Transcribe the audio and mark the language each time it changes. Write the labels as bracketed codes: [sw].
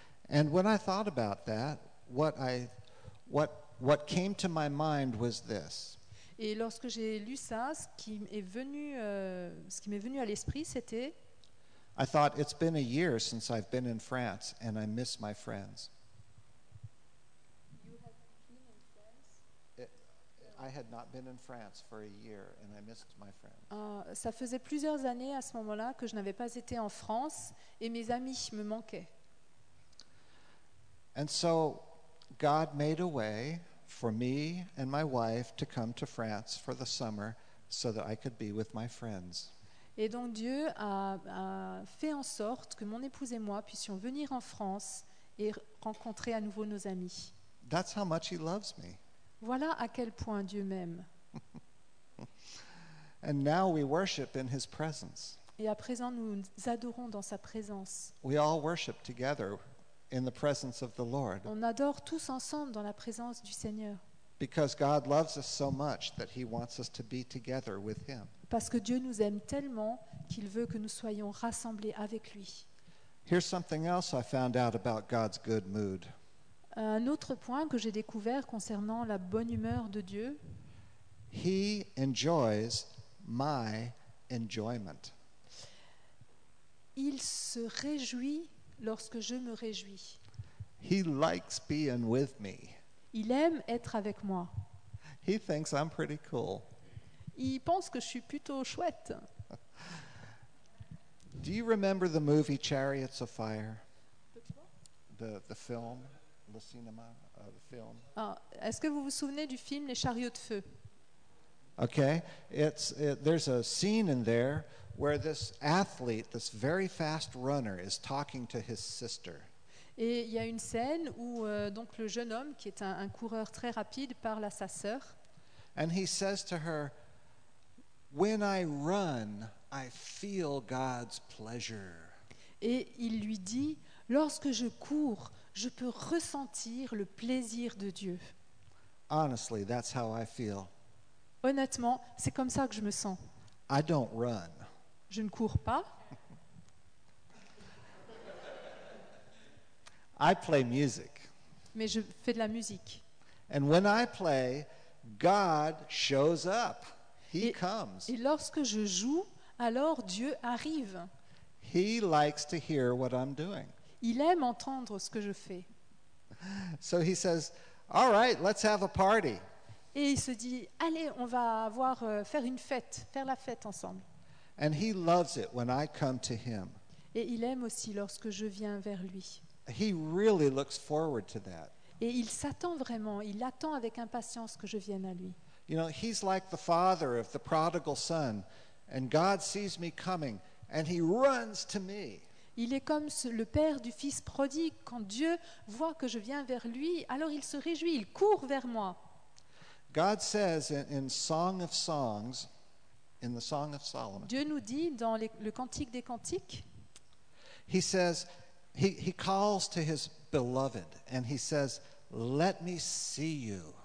[en] And when I thought about that, what came to my mind was this. [fr] Et lorsque j'ai lu ça, ce qui m'est venu à l'esprit, c'était. [en] I thought it's been a year since I've been in France, and I miss my friends. I had not been in France for a year and I missed my friends. [fr] Ça faisait plusieurs années à ce moment-là que je n'avais pas été en France et mes amis me manquaient. [en] And so God made a way for me and my wife to come to France for the summer so that I could be with my friends. [fr] Et donc Dieu a fait en sorte que mon épouse et moi puissions venir en France et rencontrer à nouveau nos amis. [en] That's how much he loves me. [fr] Voilà à quel point Dieu m'aime. [en] And now we worship in his presence. [fr] Et à présent, nous adorons dans sa présence. [en] We all worship together in the presence of the Lord. [fr] On adore tous ensemble dans la présence du Seigneur. [en] Because God loves us so much that he wants us to be together with him. [fr] Parce que Dieu nous aime tellement qu'il veut que nous soyons rassemblés avec lui. [en] Here's something else I found out about God's good mood. [fr] Un autre point que j'ai découvert concernant la bonne humeur de Dieu. [en] He enjoys my enjoyment. [fr] Il se réjouit lorsque je me réjouis. [en] He likes being with me. [fr] Il aime être avec moi. [en] He thinks I'm pretty cool. [fr] Il pense que je suis plutôt chouette. [en] Do you remember the movie Chariots of Fire? The film, the cinema, the film. [fr] Ah, est-ce que vous vous souvenez du film Les Chariots de Feu? [en] Okay, there's a scene in there where this athlete, this very fast runner, is talking to his sister. [fr] Et il y a une scène où donc le jeune homme qui est un coureur très rapide parle à sa sœur. [en] And he says to her, "When I run, I feel God's pleasure." [fr] Et il lui dit, lorsque je cours, je peux ressentir le plaisir de Dieu. [en] Honestly, that's how I feel. [fr] Honnêtement, c'est comme ça que je me sens. [en] I don't run. [fr] Je ne cours pas. [en] I play music. [fr] Mais je fais de la musique. [en] And when I play, God shows up. He comes. [fr] Et lorsque je joue, alors Dieu arrive. [en] He likes to hear what I'm doing. [fr] Il aime entendre ce que je fais. [en] So he says, "All right, let's have a party." [fr] Et il se dit, allez, on va avoir faire une fête, faire la fête ensemble. [en] And he loves it when I come to him. [fr] Et il aime aussi lorsque je viens vers lui. [en] He really looks forward to that. [fr] Et il s'attend vraiment, il attend avec impatience que je vienne à lui. [en] You know, he's like the father of the prodigal son, and God sees me coming, and he runs to me. [fr] Il est comme le père du fils prodigue. Quand Dieu voit que je viens vers lui, alors il se réjouit, il court vers moi. [en] God says in Song of Songs, in the Song of Solomon. [fr] Dieu nous dit dans le Cantique des Cantiques. [en] He says, he calls to his beloved and he says, "Let me see you."